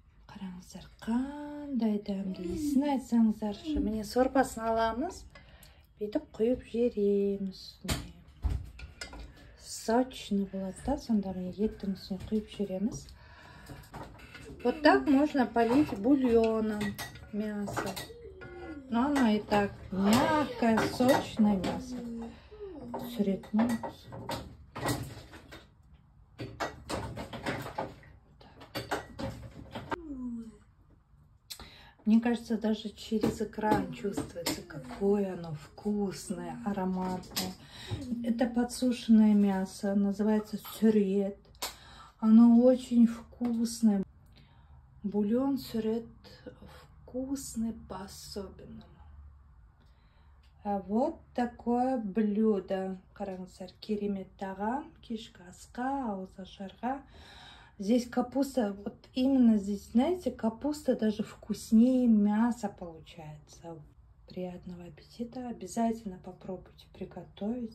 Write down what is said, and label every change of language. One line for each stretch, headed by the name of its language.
Kazakh: Қараңыздар, қандай дәмді. Есін айтсаңыздар. Міне сорпасын аламыз. Бүйтіп құйып жереміз. Сочный болады да, сонда міне еттің үстіне құйып жереміз.
Russian: Вот так можно полить бульоном мясо. Но оно и так мягкое, сочное мясо. Сретнулось. Мне кажется, даже через экран чувствуется, какое оно вкусное, ароматное. Это подсушенное мясо, называется сюрет. Оно очень вкусное. Бульон сюрет вкусный по-особенному. А вот такое блюдо.
Kazakh: Қараңыздар, керемет таған, кешкі асқа, ауыз ашарға.
Russian: Здесь капуста, вот именно здесь, знаете, капуста даже вкуснее мяса получается. Приятного аппетита. Обязательно попробуйте приготовить.